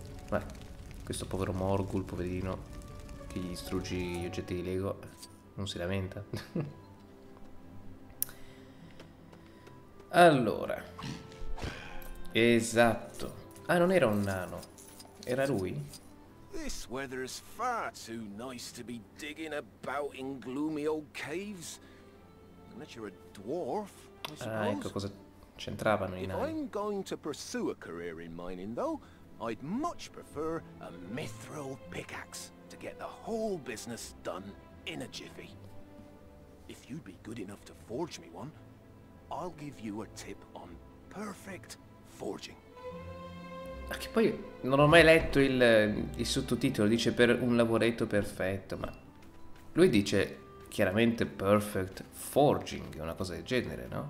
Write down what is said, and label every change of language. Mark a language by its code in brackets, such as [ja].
[it] Ma questo povero Morgul, poverino, che gli distruggi gli oggetti di Lego, non si lamenta. Allora. Esatto. Ah, non era un nano. Era lui? [en] This weather is far too nice to be digging about in gloomy old caves. Unless you're a dwarf, I suppose. [it] Ah, ecco cosa c'entravano i nani. [en] If I'm going to pursue a career in mining, though, I'd much prefer a mithril pickaxe to get the whole business done in a jiffy. If you'd be good enough to forge me one, I'll give you a tip on perfect forging. [it] Ma che poi non ho mai letto il sottotitolo, dice per un lavoretto perfetto, ma lui dice chiaramente perfect forging, una cosa del genere, no?